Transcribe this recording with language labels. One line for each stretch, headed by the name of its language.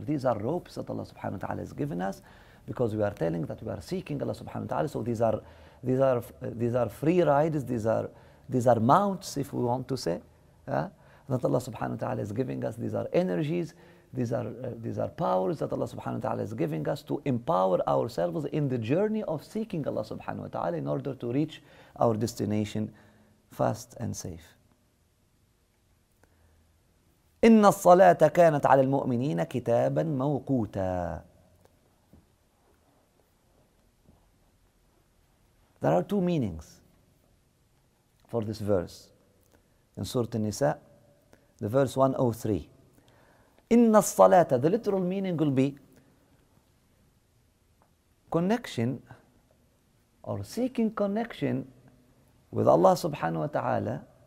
English: These are ropes that Allah subhanahu wa ta'ala has given us, because we are telling that we are seeking Allah subhanahu wa ta'ala. So these are free rides, these are mounts, if we want to say, that Allah subhanahu wa ta'ala is giving us. These are energies, these are powers that Allah subhanahu wa ta'ala is giving us to empower ourselves in the journey of seeking Allah subhanahu wa ta'ala in order to reach our destination fast and safe.
Arabic: إن الصلاة كانت على المؤمنين كتابا موقوتا.
English: There are two meanings for this verse in Surah An-Nisa, the verse 103.
Arabic: إن الصلاة,
English: the literal meaning will be connection or seeking connection with Allah subhanahu wa ta'ala.